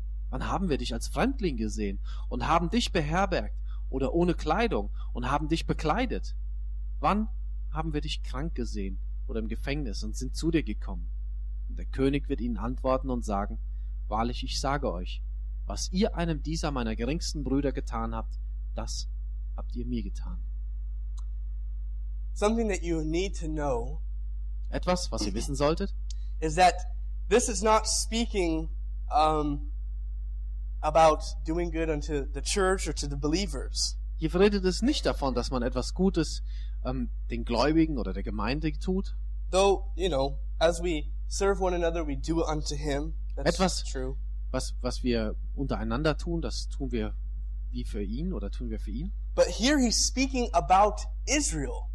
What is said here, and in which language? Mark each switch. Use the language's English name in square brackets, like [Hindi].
[German] Wann haben wir dich als Fremdling gesehen und haben dich beherbergt oder ohne Kleidung und haben dich bekleidet? Wann haben wir dich krank gesehen oder im Gefängnis und sind zu dir gekommen? Und der König wird ihnen antworten und sagen, wahrlich, ich sage euch, was ihr einem dieser meiner geringsten Brüder getan habt, das habt ihr mir getan. [English] Something that you need to know, [German] etwas, was ihr wissen solltet, [English] is that this is not speaking about doing good unto the church or to the believers. [German] Hier redet es nicht davon, dass man etwas Gutes den Gläubigen oder der Gemeinde tut. [English] Though, you know, as we serve one another, we do unto him. That's etwas, true. [German] Was wir untereinander tun, das tun wir wie für ihn oder tun wir für ihn. [English] But here he's speaking about Israel.